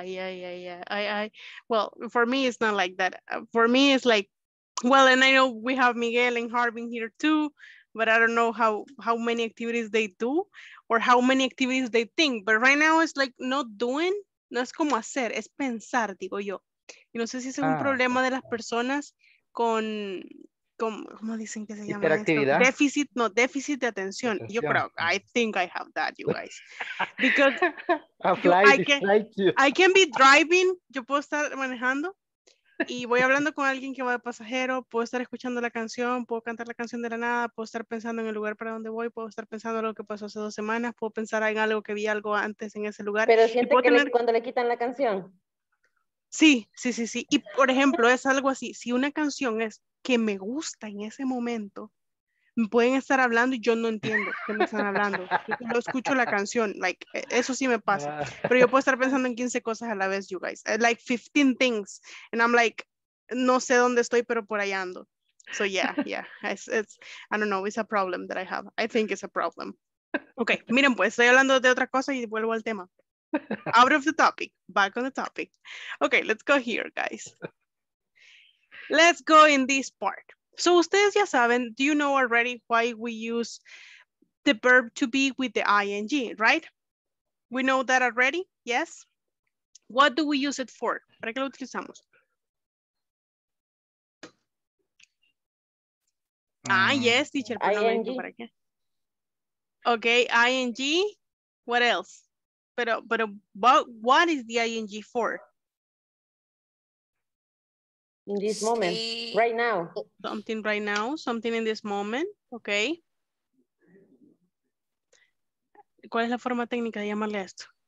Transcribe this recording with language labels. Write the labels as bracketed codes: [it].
[en] Yeah. Well, for me, it's not like that. For me, it's like, well, and I know we have Miguel and Harbin here too, but I don't know how many activities they do, or how many activities they think. But right now, it's like not doing. [es] No es como hacer, es pensar, digo yo. Y no sé si es un problema de las personas con ¿cómo dicen que se llama? Hiperactividad. Esto? Déficit de atención. Yo creo, [en] I think I have that, you guys. Because I can be driving, [es] yo puedo estar manejando y voy hablando con alguien que va de pasajero, puedo estar escuchando la canción, puedo cantar la canción de la nada, puedo estar pensando en el lugar para donde voy, puedo estar pensando en lo que pasó hace dos semanas, puedo pensar en algo que vi algo antes en ese lugar. ¿Pero siente que tener... cuando le quitan la canción? Sí. Y por ejemplo, es algo así, si una canción es que me gusta en ese momento, me pueden estar hablando y yo no entiendo qué me están hablando. Yo escucho la canción, like, eso sí me pasa. Pero yo puedo estar pensando en 15 cosas a la vez, [en] you guys. Like 15 things. And I'm like, [es] no sé dónde estoy, pero por ahí ando. So yeah. [en] It's, I don't know, it's a problem that I have. I think it's a problem. [es] Okay, miren pues, estoy hablando de otra cosa y vuelvo al tema. [en] Out of the topic, back on the topic. Okay, let's go here, guys. Let's go in this part. So, [es] ustedes ya saben, [en] do you know already why we use the verb to be with the ing, right? We know that already, yes? What do we use it for? [es] ¿Para qué lo utilizamos? [en] Yes, teacher. ING. Okay, ing, what else? But what is the ing for? In this moment, right now. Something right now, something in this moment, okay. [es] ¿Cuál es la forma técnica de llamarle a esto?